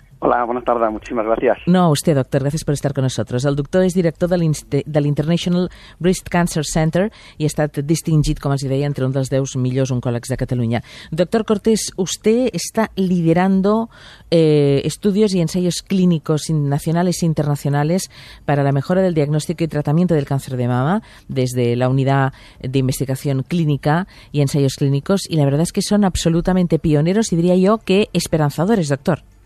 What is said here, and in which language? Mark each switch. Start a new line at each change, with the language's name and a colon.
Spanish: Hola, buenas tardes, muchísimas gracias. No, usted, doctor, gracias por estar con nosotros. El doctor es director del International Breast Cancer Center y
Catalan: ha estat distingit, com els deia, entre un dels 10 millors oncòlegs de Catalunya.
Spanish: Doctor Cortés, usted está liderando estudios y ensayos clínicos nacionales e internacionales para la mejora del diagnóstico y tratamiento del cáncer de mama desde la Unidad de Investigación Clínica y Ensayos Clínicos, y la verdad es que son absolutamente pioneros y diría yo que esperanzadores, doctor.